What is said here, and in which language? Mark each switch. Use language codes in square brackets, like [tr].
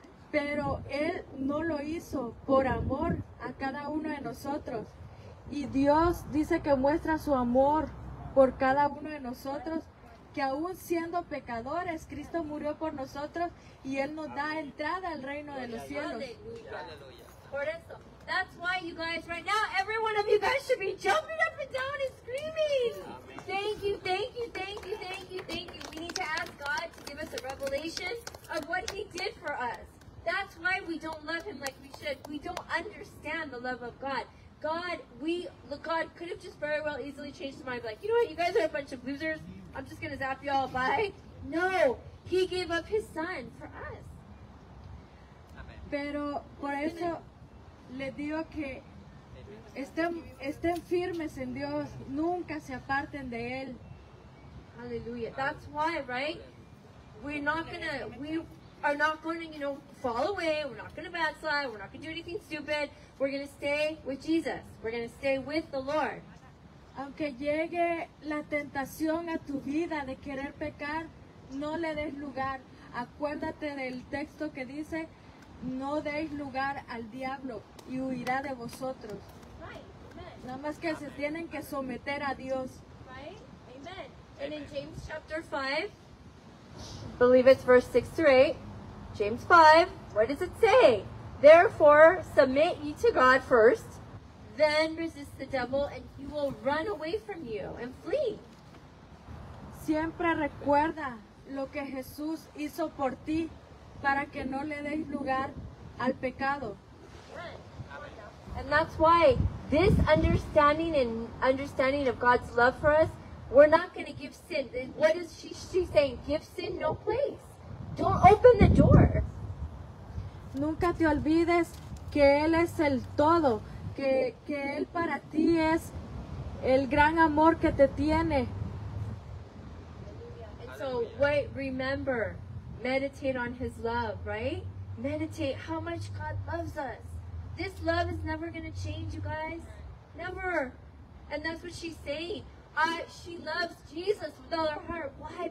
[es] Pero él no lo hizo por amor a cada uno de nosotros. Y Dios dice que muestra su amor por cada uno de nosotros, que aún siendo pecadores, Cristo murió por nosotros y él nos da entrada al reino de los cielos. Por eso. [en] That's why you guys, right now, every one of you guys should be jumping up and down and screaming. Thank you, thank you, thank you, thank you, thank you. We need to ask God to give us a revelation of what he did for us. That's why we don't love him like we should. We don't understand the love of God. God could have just very well easily changed his mind. Like, you know what, you guys are a bunch of losers. I'm just going to zap you all by. No, he gave up his son for us. [es] Pero por eso... Les digo que estén firmes en Dios, nunca se aparten de él. [en] Aleluya. That's why, right? We are not going to, you know, fall away. We're not going to backslide. We're not going to do anything stupid. We're going to stay with Jesus. We're going to stay with the Lord. [es] Aunque llegue la tentación a tu vida de querer pecar, no le des lugar. Acuérdate del texto que dice, no deis lugar al diablo y huirá de vosotros. [en] Right. [es] Nada más que Amen. Se tienen que someter a Dios. [en] Right? Amen. And in James chapter 5, believe it's verse 6-8, James 5, what does it say? Therefore, submit ye to God first, then resist the devil, and he will run away from you and flee. [es] Siempre recuerda lo que Jesús hizo por ti, para que no le deis lugar al pecado. [en] And that's why this understanding and understanding of God's love for us, we're not going to give sin. What is she saying? Give sin no place. Don't open the door. [es] Nunca te olvides que Él es el todo, que Él para ti es el gran amor que te tiene. [en] And so, wait, remember, meditate on His love, right? Meditate how much God loves us. This love is never going to change, you guys. Never. And that's what she's saying. She loves Jesus with all her heart. Why?